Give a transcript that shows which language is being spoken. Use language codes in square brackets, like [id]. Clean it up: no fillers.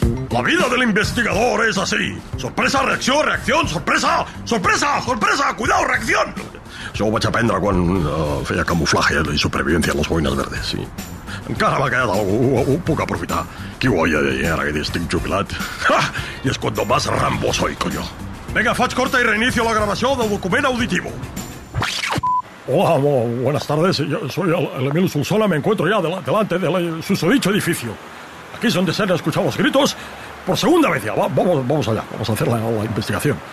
[es] La vida del investigador es así. Sorpresa, reacción, sorpresa, sorpresa, sorpresa, cuidado, reacción. [ca] Això ho vaig aprendre quan feia camuflaje i supervivència a les boines verdes, sí. Encara m'ha quedat algú, ho puc aprofitar. Qui ho oia, ara que estic jubilat. I és [es] cuando más Rambo soy, [ca] coño. Vinga, faig corta i reinicio la gravació del document auditivo. [es] Hola, buenas tardes. Yo soy el Emilio Solsona. Me encuentro ya delante del susodicho edificio. Aquí es donde se han escuchado los gritos por segunda vez ya. Vamos allá, vamos a hacer la investigación.